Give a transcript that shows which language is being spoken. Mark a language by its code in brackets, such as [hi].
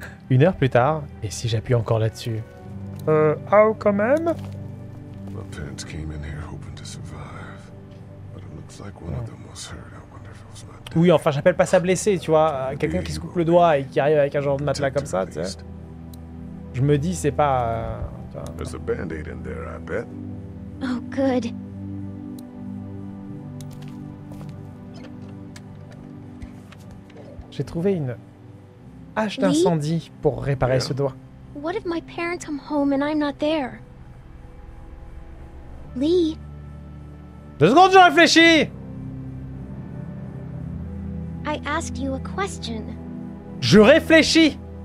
[fr] Une heure plus tard, et si j'appuie encore là-dessus? Ow, quand même? [en] My parents came in here hoping to survive. But it looks like one of them was hurt. I wonder if it was my dad. [fr] Oui, enfin, j'appelle pas ça blessé, tu vois. Quelqu'un qui se coupe le doigt et qui arrive avec un genre de matelas comme ça, tu sais. Je me dis, c'est pas... [en] There's a band-aid in there, I bet. Oh, good. [fr] J'ai trouvé une hache d'incendie pour réparer ce doigt. [en] What if my parents come home and I'm not there? Lee. [fr] Deux secondes, j'ai réfléchi. [en] I asked you a question. [fr] Je réfléchis.